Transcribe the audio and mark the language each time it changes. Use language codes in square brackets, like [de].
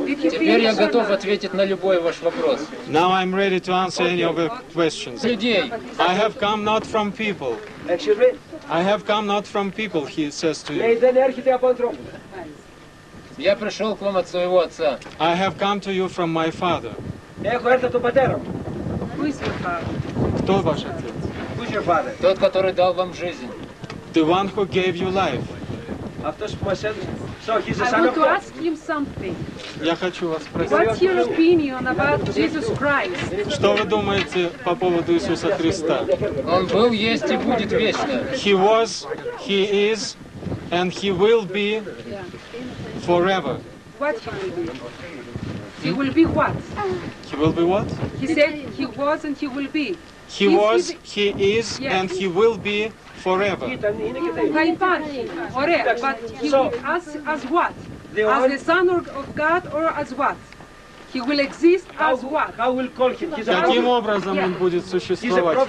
[ru] Теперь я готов ответить на любой ваш вопрос. [en] Now I'm ready to answer any of your questions. [ru] Людей. [en] I have come not from people. I have come not from people, he says to you. [ru] Я пришел к вам от своего отца. [en] I have come to you from my father. [el] Έχω έρθει από τον πατέρα. [ru] Кто ваш отец? [en] Who's your father? [ru] Тот, который дал вам жизнь. [en] The one who gave you life. [el] Αυτός που μας έδωσε. [en] I want to ask him something. [ru] Я хочу вас спросить. [en] What's your opinion about Jesus Christ? [ru] Что вы думаете по поводу Иисуса Христа? Он был, есть и будет вечно. [en] He was, he is, and he will be forever. What he will be? He will be what? He will be what? He said he was and he will be. He was, he is, and he will be. Forever. But he will as what? As the Son of God or as what? He will exist as what? How will call him? [ru] Каким образом он будет существовать?